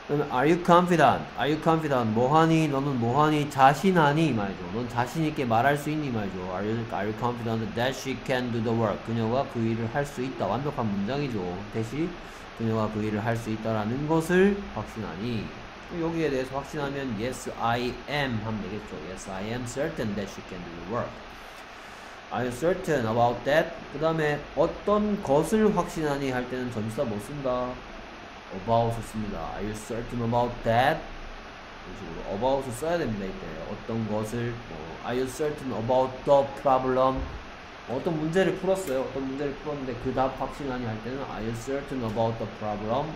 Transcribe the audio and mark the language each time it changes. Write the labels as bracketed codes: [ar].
[en] Are you confident? Are you confident? [ko] 뭐하니? 너는 뭐하니? 자신하니? 말이죠. 넌 자신있게 말할 수 있니? 말이죠. [en] Are you confident that she can do the work? [ko] 그녀가 그 일을 할 수 있다. 완벽한 문장이죠. 대신 그녀가 그 일을 할 수 있다라는 것을 확신하니. 여기에 대해서 확신하면 [en] Yes, I am [ko] 하면 되겠죠. [en] Yes, I am certain that she can do the work. I am certain about that. [ko] 그 다음에 어떤 것을 확신하니 할 때는 전치사 못 씁니다. About을 씁니다. [en] Are you certain about that? [ko] 이런 식으로 about을 써야 됩니다. 이때 어떤 것을 뭐, [en] Are you certain about the problem? [ko] 어떤 문제를 풀었어요. 어떤 문제를 풀었는데 그 답 확신하니 할 때는 [en] Are you certain about the problem?